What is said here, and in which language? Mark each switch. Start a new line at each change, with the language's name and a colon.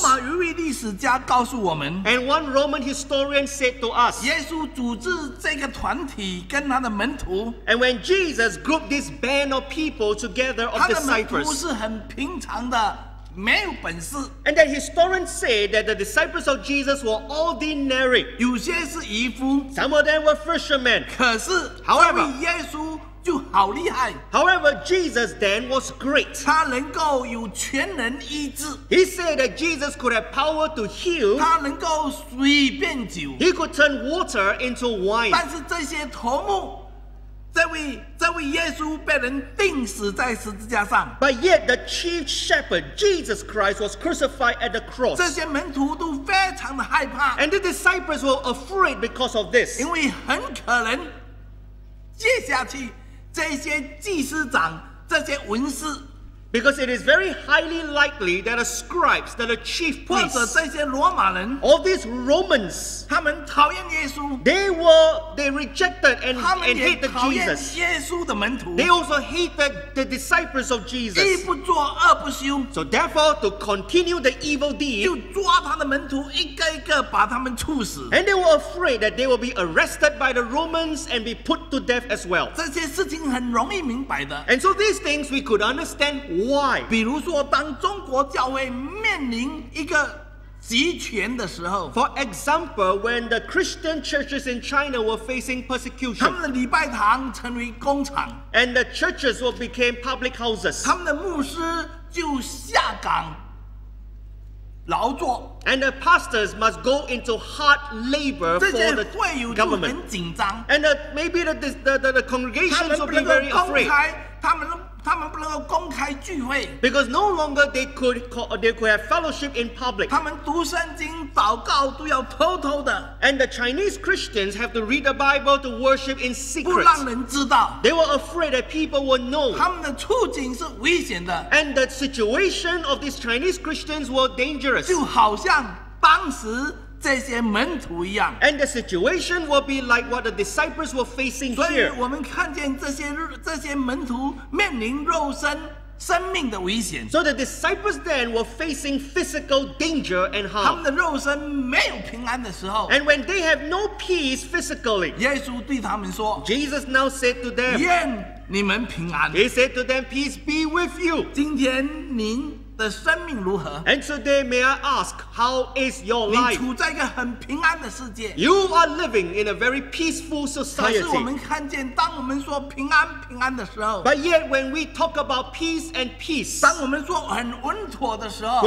Chinese: 罗马一位历史家告诉我们。
English: And one Roman historian said to us.
Chinese: 耶稣组织这个团体跟他的门徒。
English: And when Jesus grouped this band of people together of disciples.
Chinese: 他的门徒是很平常的。没有本事。
English: And that historians say that the disciples of Jesus were ordinary.
Chinese: 有些是渔夫。
English: Some of them were fishermen.
Chinese: 可是
English: However,
Chinese: 这位耶稣就好厉害。
English: However, Jesus then was great.
Chinese: 他能够有全能医治。
English: He said that Jesus could have power to heal.
Chinese: 他能够水变酒。
English: He could turn water into wine.
Chinese: 但是这些头目这位耶稣被人钉死在十字架上。
English: But yet the chief shepherd, Jesus Christ, was crucified at the cross.
Chinese: 这些门徒都非常的害怕。
English: And the disciples were afraid because of this.
Chinese: 因为很可能接下去这些祭司长、这些文士。
English: Because it is very highly likely that the scribes, that the chief priests,
Chinese: 或者这些罗马人,
English: all these Romans,
Chinese: 他们讨厌耶稣,
English: they rejected and hated Jesus.
Chinese: 耶稣的门徒,
English: they also hated the disciples of Jesus.
Chinese: 一不做二不休,
English: so therefore, to continue the evil deed,
Chinese: 就抓他的门徒一个一个把他们处死,
English: and they were afraid that they will be arrested by the Romans and be put to death as well.
Chinese: 这些事情很容易明白的,
English: and so these things we could understand. Why?
Chinese: 比如说，当中国教会面临一个集权的时候
English: ，For example, when the Christian churches in China were facing persecution,
Chinese: 他们的礼拜堂成为工厂
English: ，And the churches will become public houses.
Chinese: 他们的牧师就下岗劳作
English: ，And the pastors must go into hard labor for the government.
Chinese: 这些会友就很紧张
English: ，And maybe the congregations will be very afraid.
Chinese: 他们不能够公开聚会
English: ，because no longer they could have fellowship in public.
Chinese: 他们读圣经、祷告都要偷偷的
English: ，and the Chinese Christians have to read the Bible to worship in secret.
Chinese: 不让人知道
English: ，they were afraid that people would know.
Chinese: 他们的处境是危险的
English: ，and the situation of these Chinese Christians were dangerous.
Chinese: 就好像当时。这些门徒一样
English: ，and the situation will be like what the disciples were facing here.
Chinese: 所以我们看见这些门徒面临肉身生命的危险。
English: So the disciples then were facing physical danger and harm.
Chinese: 他们的肉身没有平安的时候
English: ，and when they have no peace physically.
Chinese: 耶稣对他们说
English: ，Jesus now said to them,
Chinese: 愿你们平安。
English: He said to them, peace be with you.
Chinese: 今天您的生命如何
English: ？And today, may I ask, how is your life?
Chinese: 你处在一个很平安的世界。
English: You are living in a very peaceful society.
Chinese: 可是我们看见，当我们说平安平安的时候
English: ，But yet, when we talk about peace and peace,
Chinese: 当我们说很稳妥的时候